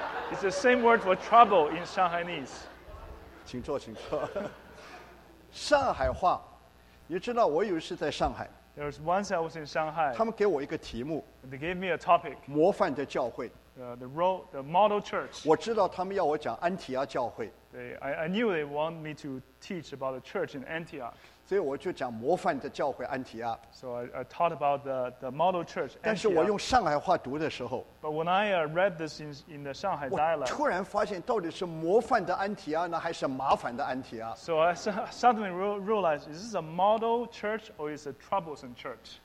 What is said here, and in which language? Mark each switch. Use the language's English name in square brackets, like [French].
[English] ？It's the same word for trouble in Shanghainese. [Chinese] 请坐，请坐。上海话，你知道我有一次在上海。 [English] There was once I was in Shanghai. [Chinese] 他们给我一个题目。 [English] They gave me a topic. [Chinese] 模范的教会。 [English] The model church. [Chinese] 我知道他们要我讲安提阿教会。 [English] I knew they want me to teach about a church in Antioch. [Chinese] 所以我就讲模范的教会安提阿。 [English] So I taught about the model church. [Chinese] 但是我用上海话读的时候 [English] ，But when I read this in the Shanghai dialect, [Chinese] 我突然发现到底是模范的安提阿呢，还是麻烦的安提阿 [English] ？So I suddenly realized, is this a model church or is it a troublesome church?